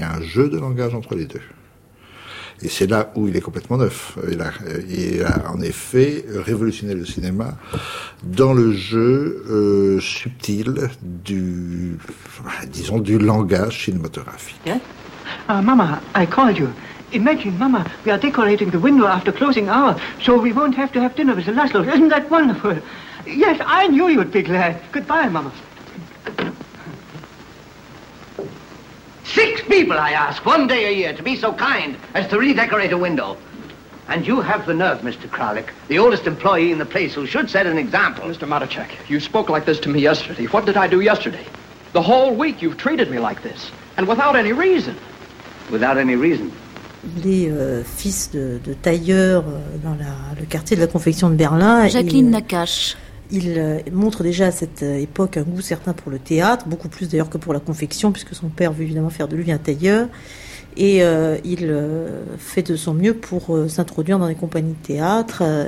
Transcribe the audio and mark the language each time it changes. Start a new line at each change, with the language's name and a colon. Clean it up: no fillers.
French: Il y a un jeu de langage entre les deux. Et c'est là où il est complètement neuf. Il a en effet révolutionné le cinéma dans le jeu subtil du langage cinématographique.
English: Yeah? Mama, I called you. Imagine, Mama, we are decorating the window after closing hour, so we won't have to have dinner with the Laszlo. Isn't that wonderful? Yes, I knew you would be glad. Goodbye, Mama. Six people, I ask, one day a year, to be so kind as to redecorate a window. And you have the nerve, Mr. Kralik, the oldest employee in the place who should set an example. Mr. Maracek, you spoke like this to me yesterday. What did I do yesterday? The whole week you've treated me like this, and without any reason. Without any reason?
French: Il est fils de tailleur dans le quartier de la confection de Berlin. Jacqueline Nakache. Il montre déjà à cette époque un goût certain pour le théâtre, beaucoup plus d'ailleurs que pour la confection, puisque son père veut évidemment faire de lui un tailleur. Et il fait de son mieux pour s'introduire dans les compagnies de théâtre.